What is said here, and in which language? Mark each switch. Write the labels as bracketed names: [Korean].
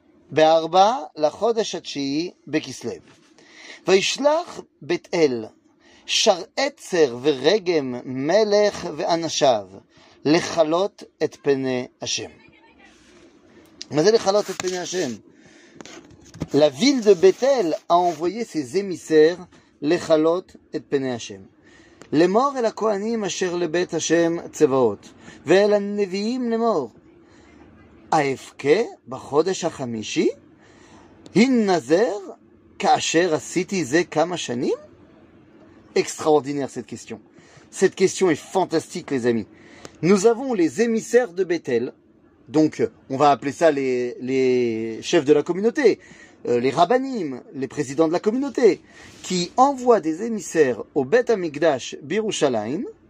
[Hebrew] Be'arba la Chodesh HaTeshi'i, Be'Kislev. Vaishlach Bet-El, Shar Etzer V'Regem, Melech V'Anashav. לחלות את פני השם. מה זה לחלות את פני השם? [French] La ville de Bethel a envoyé ses émissaires [Hebrew] לחלות את פני השם. לאמור אל הכהנים אשר לבית השם צבאות, ואל הנביאים לאמור, האבכה בחודש החמישי? הנזר כאשר עשיתי זה כמה שנים? [French] Extraordinaire cette question. Cette question est fantastique, les amis. Nous avons les émissaires de Bethel, donc on va appeler ça les chefs de la communauté, les rabbanim, les présidents de la communauté, qui envoient des émissaires au Bet HaMikdash Birushalayim.